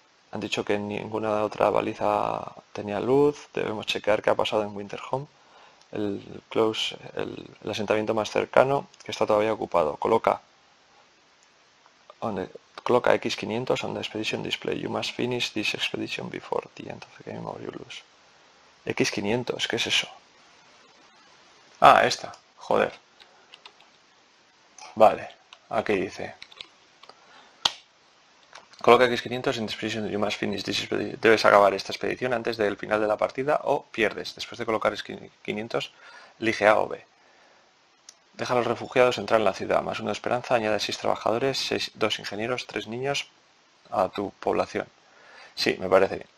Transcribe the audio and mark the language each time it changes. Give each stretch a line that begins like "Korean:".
Spanish: Han dicho que ninguna otra baliza tenía luz. Debemos chequear qué ha pasado en Winter Home. El asentamiento más cercano, que está todavía ocupado. Coloca
English: X500 on the expedition display. You must finish this expedition before the end of the game or you lose.
Spanish: X500, ¿qué es eso? Ah, esta. Joder. Vale, aquí dice. Coloca X500 en expedición.
English: You must finish this expedition.
Spanish: Debes acabar esta expedición antes del final de la partida o pierdes. Después de colocar X500, elige A o B. Deja a los refugiados entrar en la ciudad. Más una esperanza. Añade 6 trabajadores, 6, 2 ingenieros, 3 niños a tu población. Sí, me parece bien.